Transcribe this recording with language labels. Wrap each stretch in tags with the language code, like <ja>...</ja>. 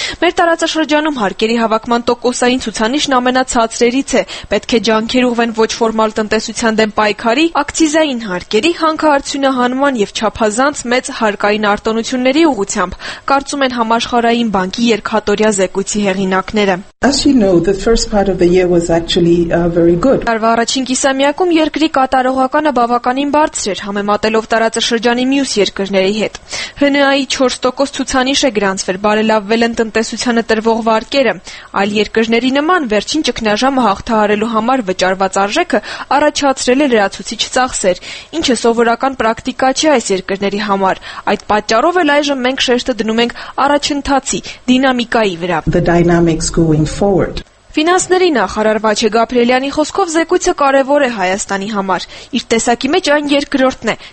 <hy>Մեր տարածաշրջանում հարկերի հավաքման տոկոսային ցուցանիշն ամենացածրերից է, պետք է ջանքեր ուղղեն ոչ ֆորմալ տնտեսության դեմ պայքարի, ակցիզային հարկերի հանքահարցյունահանման և չափազանց մեծ հարկային արտոնությունների ուղղ ությամբ, կարծում են համաշխարհային բանկի երկհատորյա զեկույցի հեղինակները։</hy> <en>As you know, the first part of the year was actually very good.</en> <hy>Տարվա առաջին կիսամյակում երկրի կատարողականը բավականին բարձր էր, համեմատելով տարածաշրջանի մյուս երկրների հետ։ ՀՆԱ-ի 4% ցուցանիշ է գրանցվել, բարելավվել են տնտեսությանը տրվող վարկերը։ Այլ երկրների նման վերջին ճգնաժամը հաղթահարելու համար վճարված արժեքը առաջացրել է լրացուցիչ ծախսեր, ինչը սովորական պրակտիկա չէ այս երկրների համար։ Այդ պատճառով էլ այժմ մենք շեշտը դնում ենք առաջընթացի դինամիկայի վրա։ Ֆինանսների նախարար Վաչե Գաբրելյանի խոսքով զեկույցը կարևոր է Հայաստանի համար։ Իր տեսակի մեջ այն երկրորդն է։</hy>